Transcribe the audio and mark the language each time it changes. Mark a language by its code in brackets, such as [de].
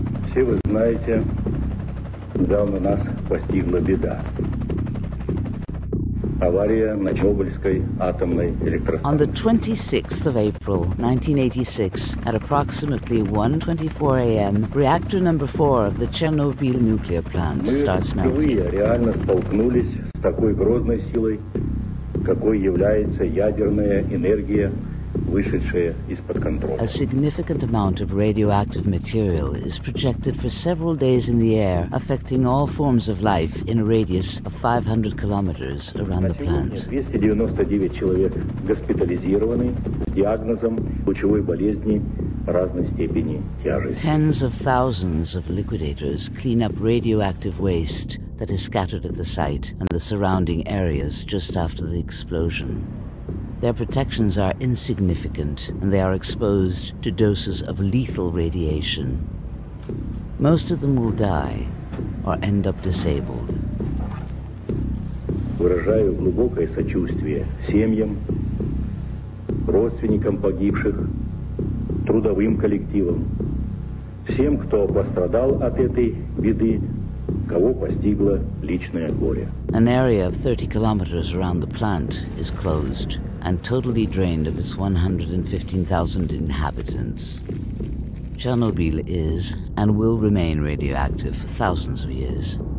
[ru] все вы знаете, недавно нас постигла беда. Авария на Чернобыльской атомной электростанции. [en] On the 26th of April, 1986, at approximately 1:24 a.m., reactor number 4 of the Chernobyl nuclear plant starts melting. [ru] Мы впервые реально столкнулись с такой грозной силой, какой является ядерная энергия, вышедшая из-под контроля. [en] A significant amount of radioactive material is projected for several days in the air, affecting all forms of life in a radius of 500 kilometers around the plant. [ru] 299 человек госпитализированы с диагнозом лучевой болезни разной степени тяжести. [en] Tens of thousands of liquidators clean up radioactive waste that is scattered at the site and the surrounding areas just after the explosion. Their protections are insignificant, and they are exposed to doses of lethal radiation. Most of them will die or end up disabled. [ru] Выражаю глубокое сочувствие семьям, родственникам погибших, трудовым коллективам, всем, кто пострадал от этой беды, кого постигло личное горе. [en] An area of 30 kilometers around the plant is closed and totally drained of its 115,000 inhabitants. Chernobyl is and will remain radioactive for thousands of years.